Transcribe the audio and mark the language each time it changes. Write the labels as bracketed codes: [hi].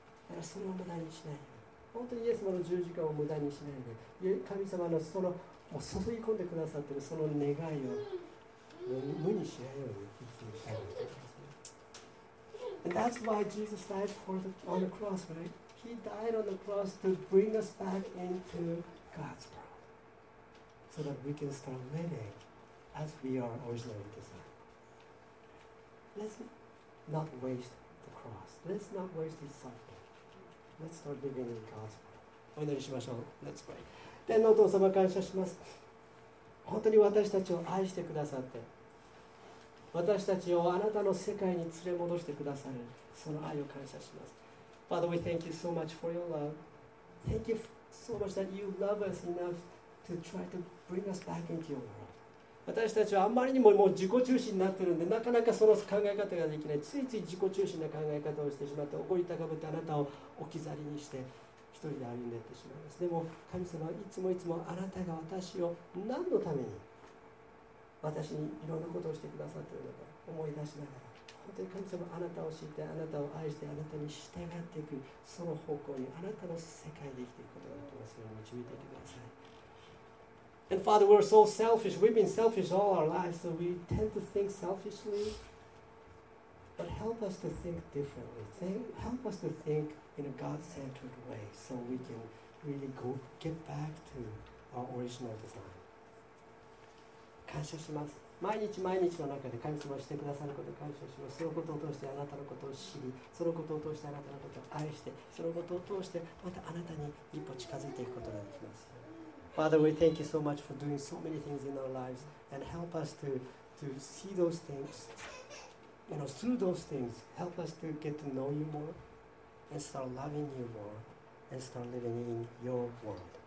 [ja] だからそれを無駄にしないで、本当にイエス様の十字架を無駄にしないで、神様のその注ぎ込んでくださっているその願いを無にしないように生きていきたいと思います。 [en] And that's why Jesus died for the, on the cross, right? He died on the cross to bring us back into God's world so that we can start living as we are originally designed. Let's not waste the cross. Let's not waste his suffering. Let's start living in God's world. [ja] お祈りしましょう。 [en] Let's pray. [ja] 天皇お父様、感謝します。本当に私たちを愛してくださって、私たちをあなたの世界に連れ戻してくださる、その愛を感謝します。 [en] Father, we thank you so much for your love. Thank you so much that you love us enough to try to bring us back into your world. [ja] 私たちはあまりにももう自己中心になっているので、なかなかその考え方ができない。ついつい自己中心な考え方をしてしまって、怒り高ぶってあなたを置き去りにして一人で歩んでいってしまいます。でも神様はいつもいつもあなたが私を何のために私にいろんなことをしてくださっているのか思い出しながら、本当に神様あなたを知って、あなたを愛して、あなたに従っていく、その方向にあなたの世界で生きていくことができますように導いていてください。 [en] And Father, we're so selfish. We've been selfish all our lives, so we tend to think selfishly. But help us to think differently. Help us to think in a God-centered way so we can really go get back to our original design. [ja] 感謝します。毎日毎日の中で神様をしてくださることを感謝します。そのことを通してあなたのことを知り、そのことを通してあなたのことを愛して、そのことを通してまたあなたに一歩近づいていくことができます。 [en] Father, we thank you so much for doing so many things in our lives and help us to see those things, you know, through those things, help us to get to know you more and start loving you more and start living in your world.